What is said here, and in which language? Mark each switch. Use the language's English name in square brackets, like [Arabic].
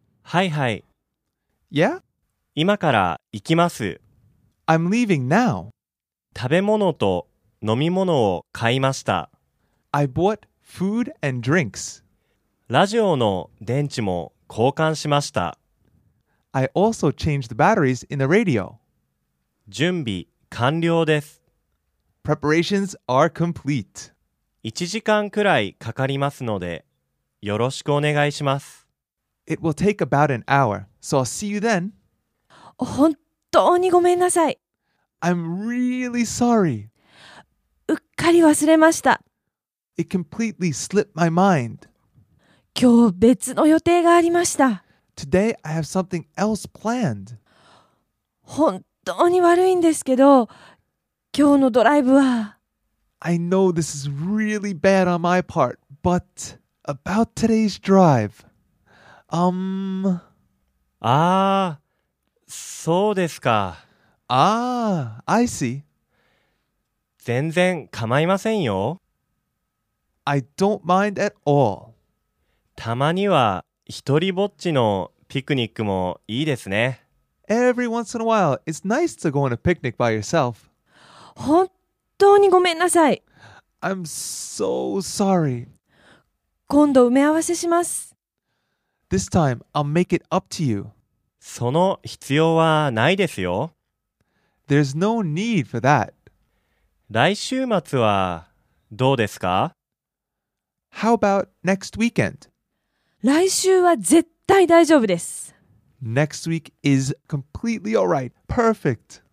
[Japanese] はいはい。 [English] Yeah? [Japanese] 今から行きます。 [English] I'm leaving now. [Japanese] 食べ物と飲み物を買いました。 [English] I bought food and drinks. [Japanese] ラジオの電池も交換しました。 [English] I also changed the batteries in the radio. [Japanese] 準備完了です。 [English] Preparations are complete. [Japanese] 1時間くらいかかりますので、よろしくお願いします。 [English] It will take about an hour, so I'll see you then. [Japanese] 本当にごめんなさい。 [English] I'm really sorry. [Japanese] うっかり忘れました。 [English] It completely slipped my mind. [Japanese] 今日別の予定がありました。 [English] Today, I have something else planned. [Japanese] 本当に悪いんですけど、今日のドライブは… [English] I know this is really bad on my part, but about today's drive… [Japanese] ああ、そうですか。 [English] Ah, I see. [Japanese] 全然構いませんよ。 [English] I don't mind at all. [Japanese] たまには一人ぼっちのピクニックもいいですね。 [English] Every once in a while, it's nice to go on a picnic by yourself. [Japanese] 本当にごめんなさい。 [English] I'm so sorry. [Japanese] 今度埋め合わせします。 [English] This time, I'll make it up to you. [Japanese] その必要はないですよ。 [English] There's no need for that. [Japanese] 来週末はどうですか? [English] How about next weekend? [Japanese] 来週は絶対大丈夫です。 [English] Next week is completely all right. Perfect.